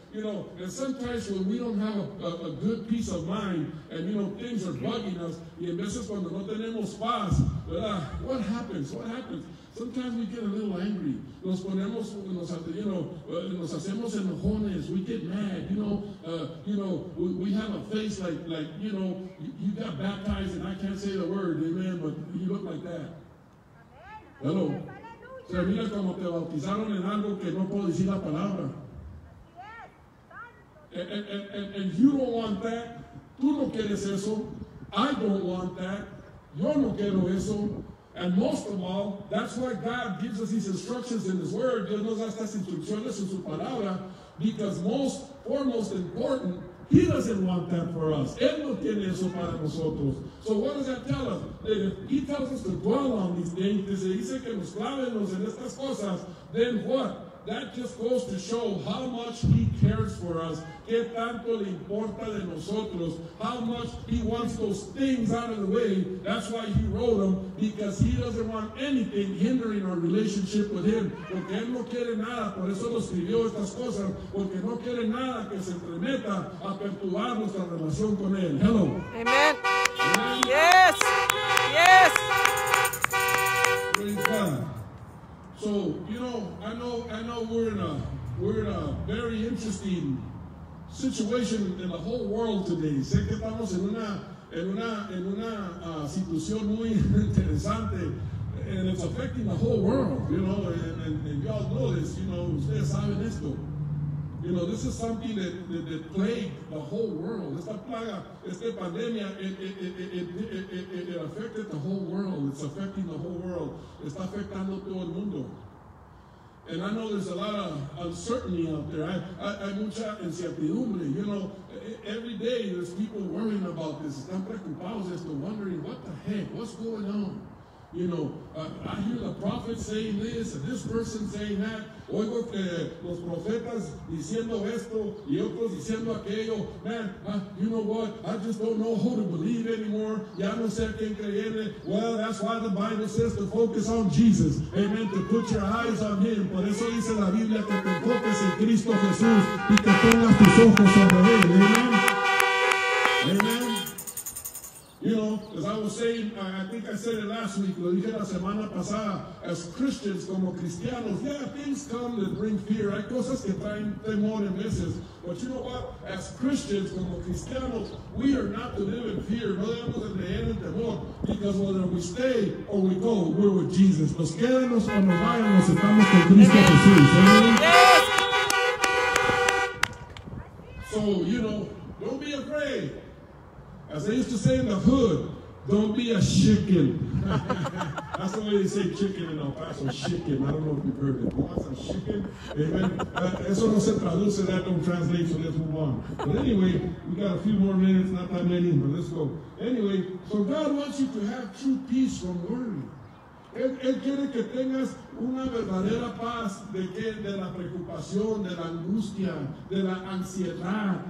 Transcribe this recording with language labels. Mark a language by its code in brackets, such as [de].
[en] You know, and sometimes when we don't have a good peace of mind, and you know, things are bugging us, [es] y en veces cuando no tenemos paz, ¿verdad? [en] What happens? What happens? Sometimes we get a little angry. [es] Nos ponemos, nos hacemos enojones. [en] We get mad. We have a face like you know, you got baptized, and I can't say the word, amen, but you look like that. Hello. [es] Se mira como te bautizaron en algo que no puedo decir la palabra. [en] And you don't want that. [es] Tú no quieres eso. [en] I don't want that. [es] Yo no quiero eso. [en] And most of all, that's why God gives us these instructions in His Word. [es] Dios nos da estas instrucciones en su palabra. [en] Because most, foremost important, He doesn't want that for us. [es] Él no tiene eso para nosotros. [en] So what does that tell us? That if He tells us to dwell on these things, [es] que se dice que nos clavemos en estas cosas, [en] then what? That just goes to show how much He cares for us. [es] Que tanto le importa de nosotros. [en] How much He wants those things out of the way. That's why He wrote them. Because He doesn't want anything hindering our relationship with Him. [es] Porque Él no quiere nada. Por eso lo escribió estas cosas. Porque no quiere nada que se entremeta a perturbar nuestra relación con Él. [en] Hello. Amen. Yes. Yes. Praise God. So, you know, I know we're in a very interesting situation in the whole world today. [es] Sé que estamos en una situación muy interesante, [en] and it's affecting the whole world, you know, and y'all know this, you know, [es] ustedes saben esto. [en] You know, this is something that plagued the whole world. [es] Esta plaga, esta pandemia, [en] it affected the whole world. It's affecting the whole world. [es] Está afectando todo el mundo. [en] And I know there's a lot of uncertainty out there. [es] Hay mucha incertidumbre. [en] You know, every day there's people worrying about this. [es] Están preocupados, esto, [en] wondering, what the heck? What's going on? You know, I hear the prophet saying this and this person saying that. [es] Oigo que los profetas diciendo esto y otros diciendo aquello. [en] Man, you know what? I just don't know who to believe anymore. [es] Ya no sé quién creerle. [en] Well, that's why the Bible says to focus on Jesus. Amen. To put your eyes on Him. [es] Por eso dice la Biblia que te enfoques en Cristo Jesús y que pongas tus ojos sobre Él. [en] Amen. You know, as I was saying, I think I said it last week, [es] lo dije la semana pasada, [en] as Christians, [es] como cristianos, [en] yeah, things come that bring fear, [es] hay cosas que traen temor en veces, [en] but you know what, as Christians, como cristianos, we are not to live in fear, [es] no debemos de leer en temor, [en] because whether we stay or we go, we're with Jesus, [es] nos quedamos o nos vayamos, estamos con Cristo Jesús, [en] amen? Yes. So, you know, don't be afraid. As they used to say in the hood, don't be a chicken. That's the way they say chicken in El Paso, chicken. I don't know if you've heard it. Oh, that's a chicken. Amen. [es] Eso no se traduce, [en] that don't translate, so let's move on. But anyway, we got a few more minutes, not that many, but let's go. Anyway, so God wants you to have true peace from worry. [es] Él quiere que tengas una verdadera paz de que de la preocupación, de la angustia, de la ansiedad.